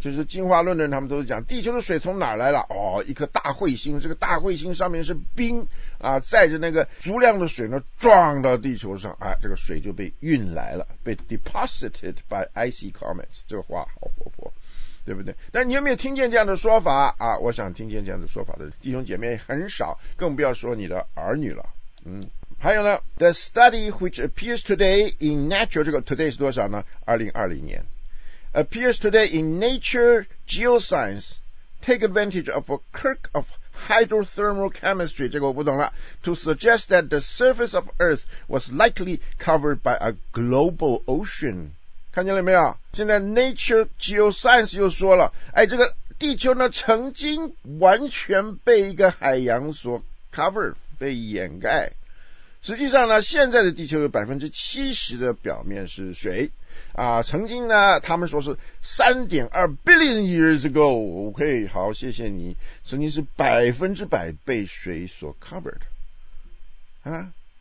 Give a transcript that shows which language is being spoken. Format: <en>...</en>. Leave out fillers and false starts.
<zh>就是进化论的人，他们都是讲地球的水从哪儿来了？一颗大彗星，这个大彗星上面是冰啊，载着那个足量的水呢撞到地球上啊，这个水就被运来了，被</zh> <en>deposited by icy comets，</en> <zh>这个话好活泼，对不对？但你有没有听见这样的说法啊？我想听见这样的说法的弟兄姐妹很少，更不要说你的儿女了。还有呢，</zh> <en>the study which appears today in nature，</en> <zh>这个 today 是多少呢？ 2020年。</zh> <en>appears today in Nature Geoscience take advantage of a quirk ofhydrothermal chemistry，</en> <zh>这个我不懂了，</zh> <en>to suggest that the surface of Earth was likely covered by a global ocean。</en> <zh>看见了没有？现在 Nature Geoscience 又说了，这个地球呢曾经完全被一个海洋所 cover， 被掩盖。实际上呢，现在的地球有 70% 的表面是水啊，曾经呢他们说是</zh> <en>3.2 billion years ago，</en> <zh>OK， 好，谢谢你，曾经是 100% 被水所 covered 啊。</zh>